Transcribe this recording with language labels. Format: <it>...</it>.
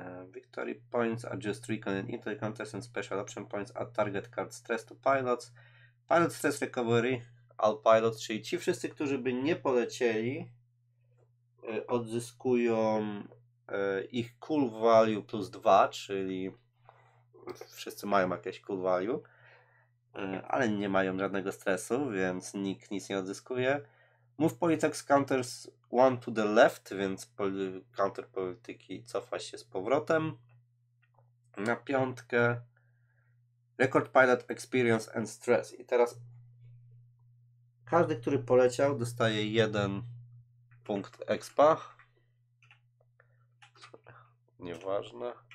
<en>Victory points adjust recon and intel counters and special option points at target card stress to pilots.</en> <pl>Pilot stress recovery,</pl> <en>all pilots,</en> <pl>czyli ci wszyscy, którzy by nie polecieli, odzyskują ich cool value plus 2, czyli wszyscy mają jakieś cool value, ale nie mają żadnego stresu, więc nikt nic nie odzyskuje.</pl> <en>Move politics counters one to the left,</en> <pl>więc counter polityki cofa się z powrotem na piątkę.</pl> <en>Record pilot experience and stress.</en> <pl>I teraz każdy, który poleciał, dostaje jeden punkt expa. Nieważne.</pl>